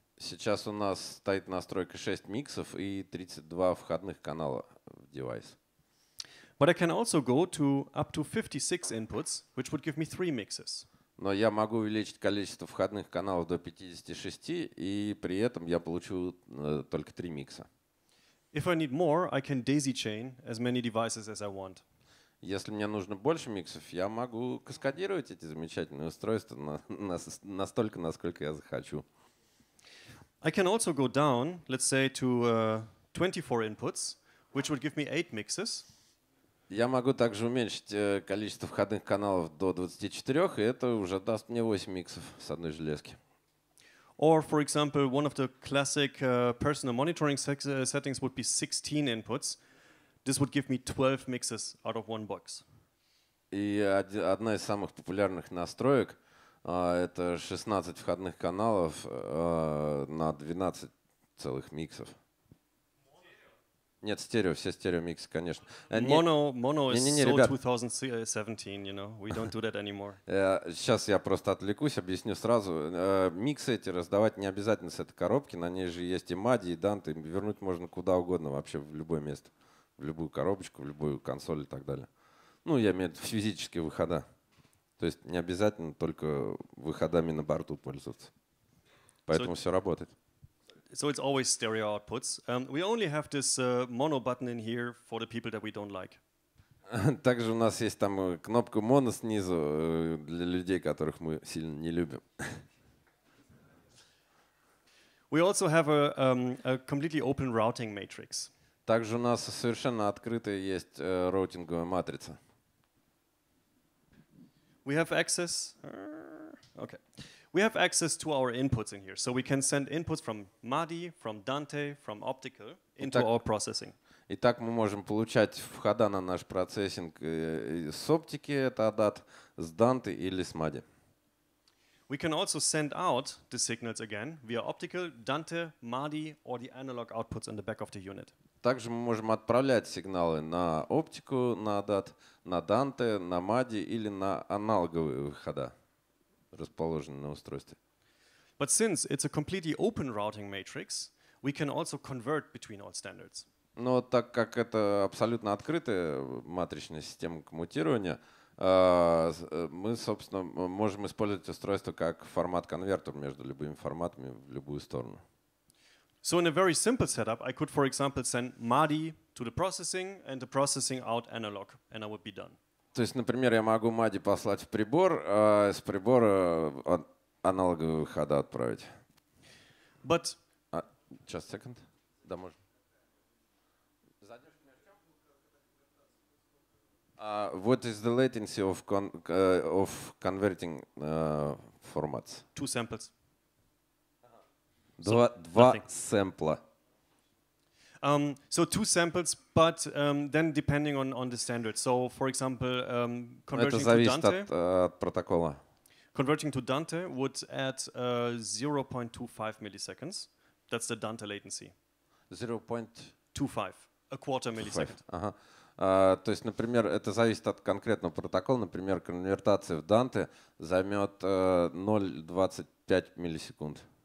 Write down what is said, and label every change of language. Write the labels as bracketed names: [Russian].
[Russian] Сейчас у нас стоит настройка 6 миксов и 32 входных канала в девайс. [English] But I can also go to up to 56 inputs, which would give me 3 mixes. [Russian] Но я могу увеличить количество входных каналов до 56, и при этом я получу только 3 микса. [English] If I need more, I can daisy chain as many devices as I want. [Russian] Если мне нужно больше миксов, я могу каскадировать эти замечательные устройства настолько, насколько я захочу. [English] I can also go down, let's say, to 24 inputs, which would give me 8 mixes. [Russian] Я могу также уменьшить количество входных каналов до 24, и это уже даст мне 8 миксов с одной железки. [English] Or, for example, one of the classic personal monitoring settings would be 16 inputs. This would give me 12 mixes out of one box. [Russian] И одна из самых популярных настроек это 16 входных каналов на 12 целых миксов. Нет, стерео, все стереомиксы, конечно. [English] Mono is so 2017, you know, we don't do that anymore. [Russian] Сейчас я просто отвлекусь, объясню сразу. Миксы эти раздавать не обязательно с этой коробки, на ней же есть и MADI, и Dante, вернуть можно куда угодно, вообще в любое место, в любую коробочку, в любую консоль и так далее. Ну, я имею в виду физические выхода. То есть не обязательно только выходами на борту пользоваться. Поэтому все работает. [English] So it's always stereo outputs. We only have this mono button in here for the people that we don't like. [Russian] Также у нас есть там кнопка mono снизу для людей, которых мы сильно не любим. [English] We also have a completely open routing matrix. [Russian] Также у нас совершенно открытая есть роутинговая матрица. [English] We have access. Okay. We have access to our inputs in here, so we can send inputs from MADI, from Dante, from optical into our processing. [Russian] Итак, мы можем получать входа на наш процессинг с оптики, это ADAT, с Dante или с MADI. [English] We can also send out the signals again via optical, Dante, MADI or the analog outputs in the back of the unit. [Russian] Также мы можем отправлять сигналы на оптику, на ADAT, на Dante, на MADI или на аналоговые выхода. Расположены на устройстве. [English] But since it's a completely open routing matrix, we can also convert between all standards. [Russian] Но так как это абсолютно открытая матричная система коммутирования, мы, собственно, можем использовать устройство как формат-конвертер между любыми форматами в любую сторону. [English] So in a very simple setup, I could, for example, send MADI to the processing and the processing out analog, and I would be done. [Russian] То есть, например, я могу MADI послать в прибор, а с прибора аналоговые выходы отправить. [English] But... Just a second. [Russian] Да, можно. [English] What is the latency of of converting formats? Two samples. [Russian] Два сэмпла. [English] So two samples, but then depending on the standard. So for example, converting to Dante. [Russian] Это зависит от протокола. [English] Converting to Dante would add 0.25 milliseconds. That's the Dante latency. 0.25. A quarter millisecond. [Russian] То есть, например, это зависит от конкретного протокола. Например, конвертация в Данте займет 0.25 миллисекунд.